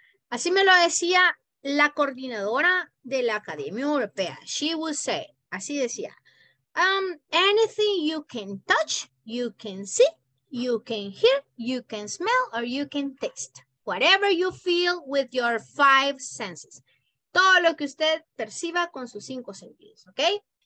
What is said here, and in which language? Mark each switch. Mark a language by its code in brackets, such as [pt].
[es] Así me lo decía la coordinadora de la Academia Europea. [en] She would say, [es] así decía, [en] anything you can touch, you can see, you can hear, you can smell, or you can taste. Whatever you feel with your five senses. [es] Todo lo que usted perciba con sus cinco sentidos, okay?